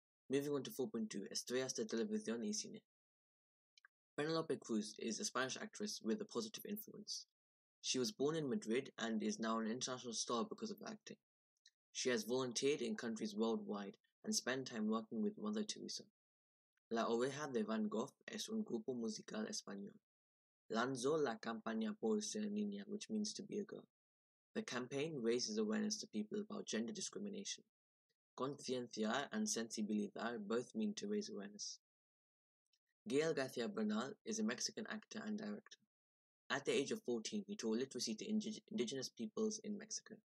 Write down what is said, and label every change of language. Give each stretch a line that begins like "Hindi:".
English: Moving on to 4.2,
Spanish: estrellas de televisión y cine.
English: Penelope Cruz is a Spanish actress with a positive influence. She was born in Madrid and is now an international star because of acting. She has volunteered in countries worldwide and spent time working with Mother Teresa.
Spanish: La Oreja de Van Gogh es un grupo musical español. Lanzó la campaña por ser niña,
English: which means to be a girl. The campaign raises awareness to people about gender discrimination. Conciencia and sensibilidad both mean to raise awareness. Gael García Bernal is a Mexican actor and director. At the age of 14, he taught literacy to indigenous peoples in Mexico.